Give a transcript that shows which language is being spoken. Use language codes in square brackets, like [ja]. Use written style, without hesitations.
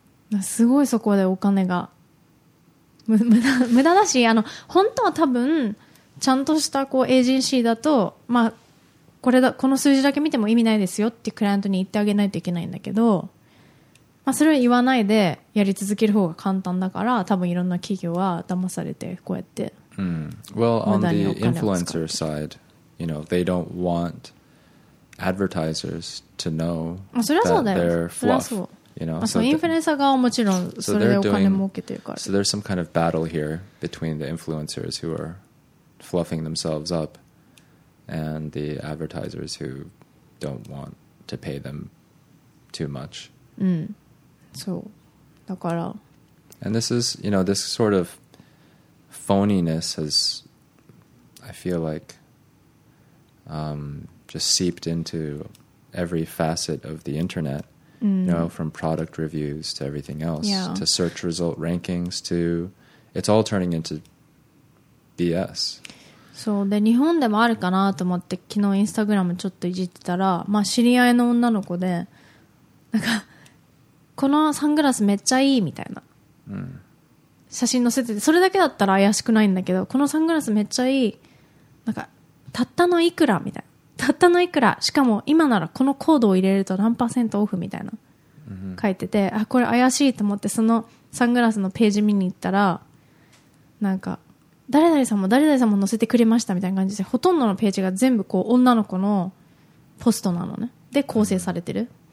[ja] う、すごいそこでお金が 無駄だし、あの本当は多分ちゃんとしたこうエージェンシーだと、まあ、これだこの数字だけ見ても意味ないですよってクライアントに言ってあげないといけないんだけど、まあ、それを言わないでやり続ける方が簡単だから、多分いろんな企業は騙されてこうやって [en] Well, on the influencer side, you know, they don't want advertisers to know that they're fluff. You know, [ja] so influencer 側もちろんそれでお金儲けてるから。 [en] So there's some kind of battle here between the influencers who are fluffing themselves up and the advertisers who don't want to pay them too much. [ja] So, だから。 [en] And this is, you know, this sort of. Phoniness has, I feel like, just seeped into every facet of the internet, you know, from product reviews to everything else, to search result rankings to, it's all turning into BS. [ja] そうで、日本でもあるかなと思って昨日インスタグラムちょっといじってたら、まあ知り合いの女の子で、なんかこのサングラスめっちゃいいみたいな。写真載せててそれだけだったら怪しくないんだけど、このサングラスめっちゃいい、なんかたったのいくらみたいな、たったのいくら、しかも今ならこのコードを入れると何パーセントオフみたいな書いてて、あこれ怪しいと思ってそのサングラスのページ見に行ったら、なんか誰々さんも誰々さんも載せてくれましたみたいな感じで、ほとんどのページが全部こう女の子のポストなのね、で構成されてる。